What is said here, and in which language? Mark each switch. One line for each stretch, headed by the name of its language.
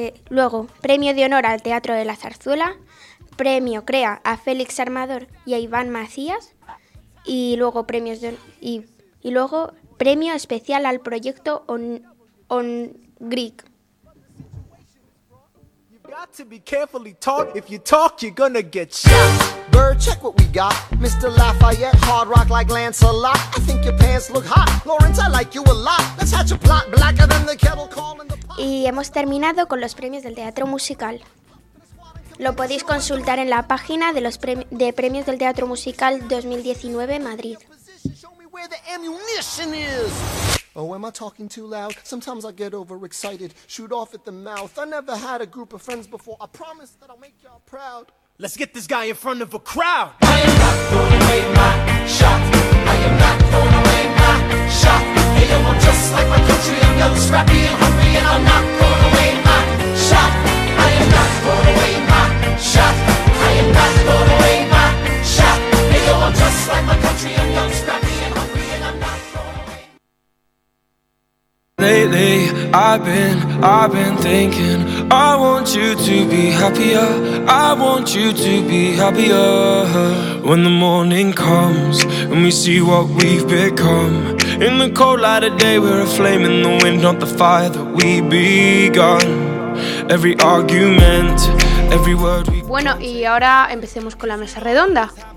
Spanish: Luego, premio de honor al Teatro de la Zarzuela, premio CREA a Félix Armador y a Iván Macías, y luego premios luego premio especial al proyecto On Greek.
English: Got to be carefully taught. If you talk, you're gonna get shot. Bird, check what we got. Mr. Lafayette, hard rock like Lancelot. I think your pants look hot. Lawrence, I like you a lot. Let's hatch a plot blacker than the kettle calling the pot.
Spanish: Y hemos terminado con los premios del teatro musical. Lo podéis consultar en la página de los premios del teatro musical 2019 Madrid.
English: Show me where the ammunition is. Oh, am I talking too loud? Sometimes I get overexcited, shoot off at the mouth. I never had a group of friends before. I promise that I'll make y'all proud. Let's get this guy in front of a crowd. I am not throwing away my shot. I am not throwing away my shot. Hey, I'm just like my country. I'm young, scrappy, and hungry, and I'm not throwing away my shot. I am not throwing away my shot. I am not throwing away my shot. Hey, I'm just like my country. I'm young, scrappy. Lately, I've been thinking, I want you to be happier, I want you to be happier. When the morning comes, and we see what we've become. In the cold light of day, we're a flame in the wind, not the fire that we begun. Every argument, every word we...
Spanish: Bueno, y ahora empecemos con la mesa redonda.